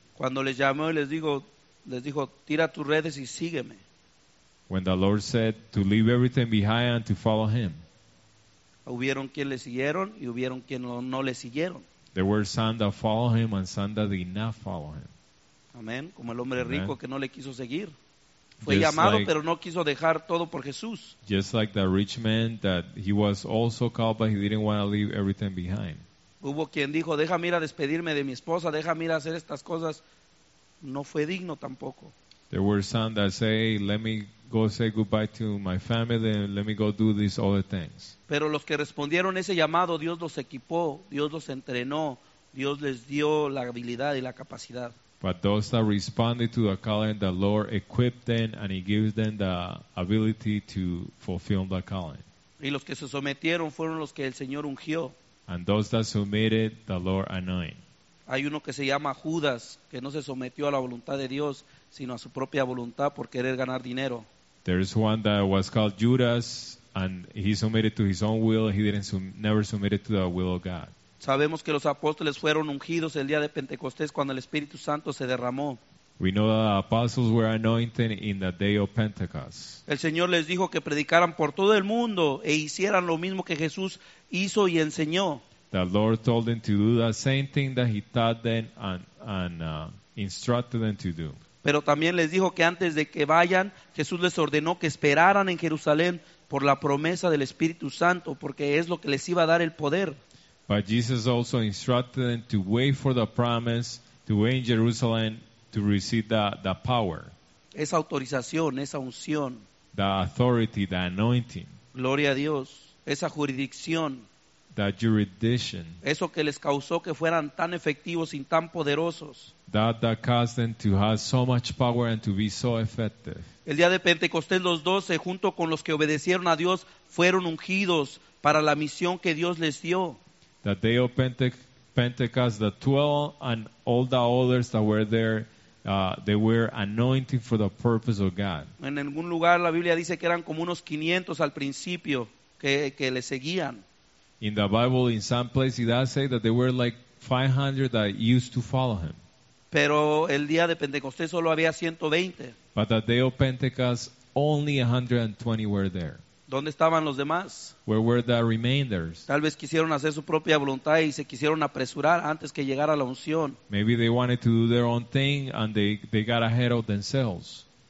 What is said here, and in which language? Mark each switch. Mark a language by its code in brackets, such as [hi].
[es] Cuando les llamó y les dijo, tira tus redes y sígueme. [en] When the Lord said to leave everything behind and to follow him. [es] Hubieron quien le siguieron y hubieron quien no le siguieron. [en] There were some that followed him and some that did not follow him. [es] Amén. Como el hombre rico que no le quiso seguir. Fue [en] just [es] llamado, [en] like, [es] pero no quiso dejar todo por Jesús. [en] Just like the rich man that he was also called, but he didn't want to leave everything behind. [es] Hubo quien dijo, déjame ir a despedirme de mi esposa, déjame ir a hacer estas cosas. No fue digno tampoco. [en] There were some that say, let me go say goodbye to my family and let me go do these other things. [es] Pero los que respondieron ese llamado, Dios los equipó, Dios los entrenó, Dios les dio la habilidad y la capacidad. [en] But those that responded to the calling, the Lord equipped them and he gives them the ability to fulfill the calling. [es] Y los que se sometieron fueron los que el Señor ungió. [en] And those that submitted, the Lord anointed. [es] Hay uno que se llama Judas, que no se sometió a la voluntad de Dios, sino a su propia voluntad por querer ganar dinero. [en] There is one that was called Judas, and he submitted to his own will. He never submitted to the will of God. [es] Sabemos que los apóstoles fueron ungidos el día de Pentecostés cuando el Espíritu Santo se derramó. [en] We know that the apostles were anointed in the day of Pentecost. [es] El Señor les dijo que predicaran por todo el mundo e hicieran lo mismo que Jesús hizo y enseñó. [en] The Lord told them to do the same thing that he taught them and instructed them to do. [es] Pero también les dijo que antes de que vayan, Jesús les ordenó que esperaran en Jerusalén por la promesa del Espíritu Santo, porque es lo que les iba a dar el poder. [en] But Jesus also instructed them to wait for the promise, to wait in Jerusalem to receive the power. [es] Esa autorización, esa unción. [en] The authority, the anointing. [es] Gloria a Dios. Esa jurisdicción. [en] That jurisdiction. [es] Eso que les causó que fueran tan efectivos y tan poderosos. [en] That caused them to have so much power and to be so effective. [es] El día de Pentecostés, los doce, junto con los que obedecieron a Dios, fueron ungidos para la misión que Dios les dio. [en] The day of Pentecost, the 12 and all the others that were there, they were anointed for the purpose of God. [es] En algún lugar la Biblia dice que eran como unos 500 al principio que le seguían. [en] In the Bible, in some places, it does say that there were like 500 that used to follow him. [es] Pero el día de Pentecostés solo había 120. [en] But the day of Pentecost, only 120 were there. [es] ¿Dónde estaban los demás? [en] Where were the remainders? [es] Tal vez quisieron hacer su propia voluntad y se quisieron apresurar antes que llegara la unción. [en] Maybe they wanted to do their own thing and they got ahead of themselves.